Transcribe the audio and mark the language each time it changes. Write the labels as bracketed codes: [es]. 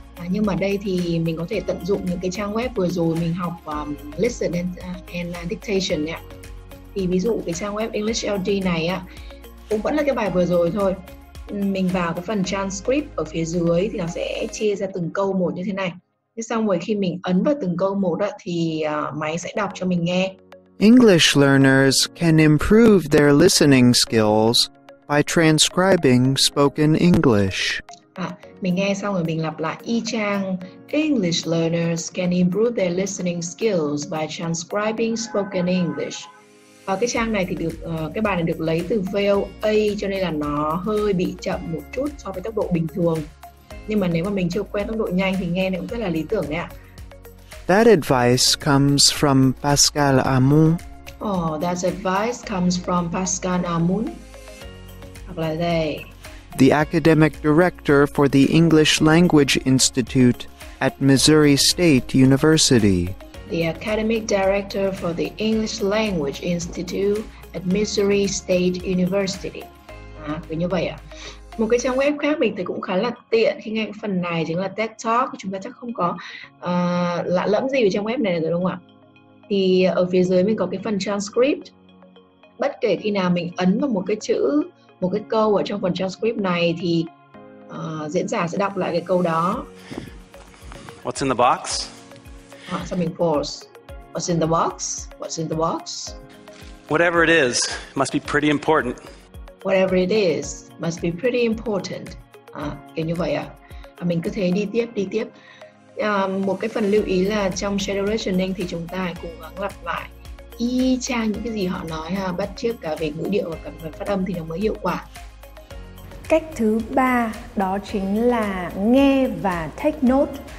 [vi] Nhưng mà đây thì mình có thể tận dụng những cái trang web vừa rồi mình học [en] listen and dictation [vi] nhé. Thì ví dụ cái trang web English LD này á, cũng vẫn là cái bài vừa rồi thôi. Mình vào cái phần transcript ở phía dưới thì nó sẽ chia ra từng câu một như thế này. Thế xong rồi khi mình ấn vào từng câu một á, thì máy sẽ đọc cho mình nghe. [en] English learners can improve their listening skills by transcribing spoken English. [vi] Mình nghe xong rồi mình lặp lại y chang. [en] English learners can improve their listening skills by transcribing spoken English. [vi] Và cái trang này thì được cái bài này được lấy từ VOA, cho nên là nó hơi bị chậm một chút so với tốc độ bình thường. Nhưng mà nếu mà mình chưa quen tốc độ nhanh thì nghe này cũng rất là lý tưởng đấy ạ. [en] That advice comes from Pascal Amon. Oh, that advice comes from Pascal Amon. [vi] Hoặc là đây. [en] The academic director for the English Language Institute at Missouri State University. The academic director for the English Language Institute at Missouri State University. [vi] Cứ như vậy ạ. Một cái trang web khác mình thấy cũng khá là tiện khi nghe phần này chính là TED Talk. Chúng ta chắc không có lạ lẫm gì ở trang web này rồi đúng không ạ? Thì ở phía dưới mình có cái phần transcript. Bất kể khi nào mình ấn vào một cái chữ, một cái câu ở trong phần transcript này thì diễn giả sẽ đọc lại cái câu đó. [en] What's in the box? Something false. What's in the box? What's in the box? Whatever it is, it must be pretty important. Whatever it is, must be pretty important. [vi] Kiểu như vậy ạ. Mình cứ thế đi tiếp. Một cái phần lưu ý là trong shadow listening thì chúng ta cùng gắng lặp lại y chang những cái gì họ nói ha, bắt chước cả về ngữ điệu và cả về phát âm thì nó mới hiệu quả. Cách thứ ba đó chính là nghe và [en] take note.